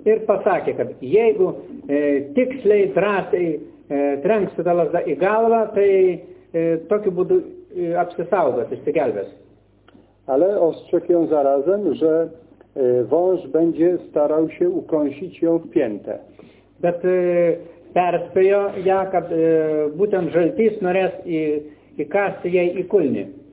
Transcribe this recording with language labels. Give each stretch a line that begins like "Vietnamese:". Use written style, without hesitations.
Lithuanian: Ir pasakė, kad jeigu tiksliai drąsiai trenksi tą lazdą į galvą, tai tokiu būdu apsisaugos, išsigelbės.
Polish: Ale ostrzegł ją zarazem, że wąż będzie starał się ukąsić ją w piętę.
Lithuanian: Bet perspėjo ją, kad būtent żeltys norės įkasti jej į kulnį.